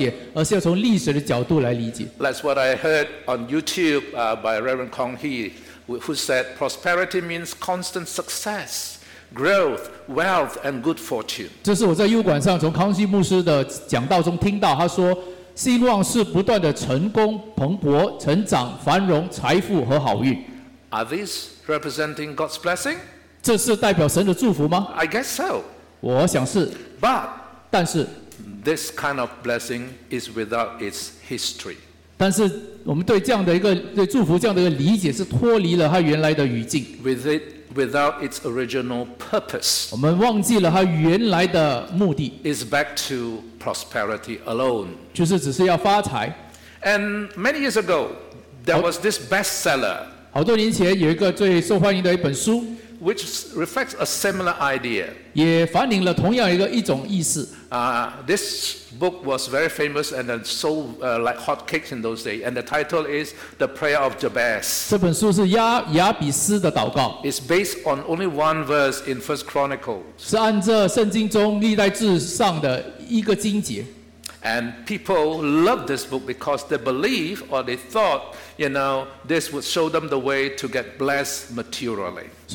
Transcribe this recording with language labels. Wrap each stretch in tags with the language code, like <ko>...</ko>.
<zh>我们要看的是要了解祝福的意思，不单只是在今天的世界来了解，而是要从历史的角度来理解。</zh> <en>That's what I heard on YouTube by Reverend Kong He, who said prosperity means constant success, growth, wealth, and good fortune.</en> <zh>这是我在油管上从康熙牧师的讲道中听到，他说，兴旺是不断的成功、蓬勃、成长、繁荣、财富和好运。</zh> <en>Are these representing God's blessing?</en> <zh>这是代表神的祝福吗？</zh> <en>I guess so.</en> <zh>我想是。</zh> <en>But</en> <zh>但是</zh> <en>this kind of blessing is without its history.</en> <zh>但是我们对这样的一个对祝福这样的一个理解是脱离了它原来的语境。</zh> <en>Without its original purpose.</en> <zh>我们忘记了它原来的目的。</zh> <en>It's back to prosperity alone.</en> <zh>就是只是要发财。</zh> <en>And many years ago, there was this bestseller.</en> <zh>好多年前有一个最受欢迎的一本书。</zh> <en>Which reflects a similar idea.</en> <zh>也反映了同样一个一种意思。</zh> <en>This book was very famous and sold like hotcakes in those days. And the title is The Prayer of Jabez.</en> <zh>这本书是亚比斯的祷告。</zh> <en>It's based on only one verse in 1 Chronicles.</en> <zh>是按照圣经中历代志上的一个经节。</zh> <en>And people loved this book because they believed or they thought, this would show them the way to get blessed materially.</en>